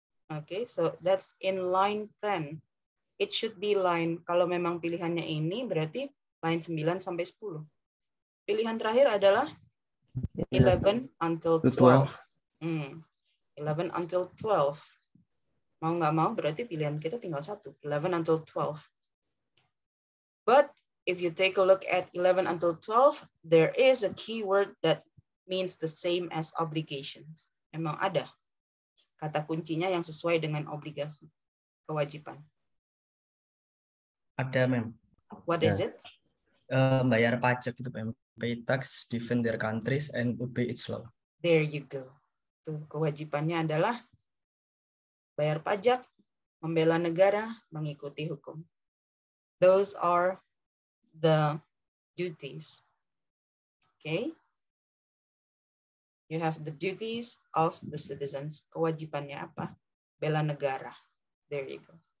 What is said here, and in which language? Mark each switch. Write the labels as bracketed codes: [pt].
[en] Okay, so that's in line 10. It should be line, [id] kalau memang pilihannya ini, berarti line 9 sampai 10. Pilihan terakhir adalah 11 until 12. 11 until 12. Mau nggak mau, berarti pilihan kita tinggal satu. [en] 11 until 12. But if you take a look at 11 until 12, there is a keyword that means the same as obligations. [id] Emang ada kata kuncinya yang sesuai dengan obligasi, kewajiban. Ada, ma'am. [en] What is it? [id] Bayar pajak itu, ma'am. [en] Pay tax, defend their countries, and obey its law. There you go. [id] Tuh, kewajibannya adalah bayar pajak, membela negara, mengikuti hukum. [en] Those are the duties. Okay? You have the duties of the citizens. [id] Kewajibannya apa? Bela negara. [en] There you go.